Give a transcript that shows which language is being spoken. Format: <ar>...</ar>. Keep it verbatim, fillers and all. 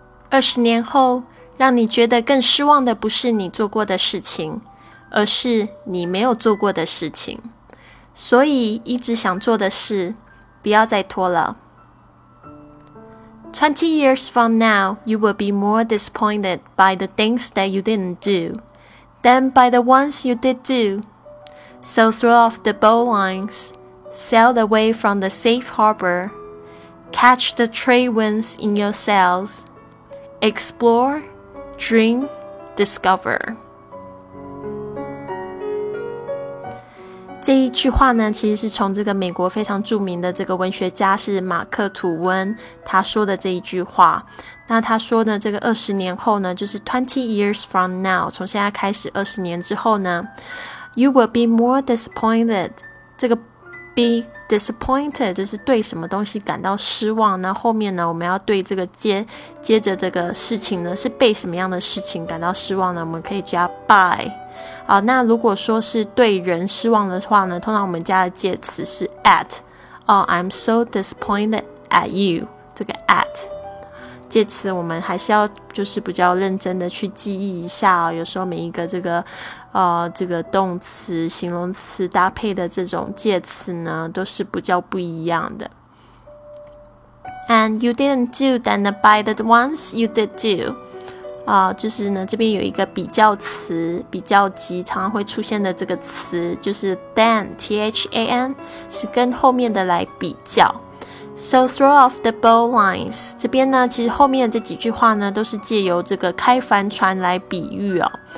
<zh>二十年后，让你觉得更失望的不是你做过的事情，而是你没有做过的事情。所以，一直想做的事，不要再拖了。</zh> <en>twenty years from now, you will be more disappointed by the things that you didn't do than by the ones you did do. So throw off the bowlines, sail away from the safe harbor, catch the trade winds in your sails, explore, dream, discover.</en> <zh>这一句话呢，其实是从这个美国非常著名的这个文学家是马克吐温他说的这一句话。那他说呢，这个二十年后呢，就是</zh> <en>twenty years from now，</en> <zh>从现在开始二十年之后呢 ，</zh> <en>you will be more disappointed。</en> <zh>这个 be disappointed 就是对什么东西感到失望。那后面呢，我们要对这个接接着这个事情呢，是被什么样的事情感到失望呢？我们可以加 by。好，那如果说是对人失望的话呢，通常我们加的介词是 at。</zh> <en>哦、oh, I'm so disappointed at you。</en> <zh>这个 at 介词我们还是要就是比较认真的去记忆一下、哦、有时候每一个这个呃这个动词、形容词搭配的这种介词呢，都是比较不一样的。</zh> <en>And you didn't do than by the ones you did do。</en> <zh>啊、呃，就是呢，这边有一个比较词，比较级常常会出现的这个词，就是 than t h a n， 是跟后面的来比较。</zh> <en>So throw off the bowlines。</en> <zh>这边呢，其实后面的这几句话呢，都是借由这个开帆船来比喻哦。</zh>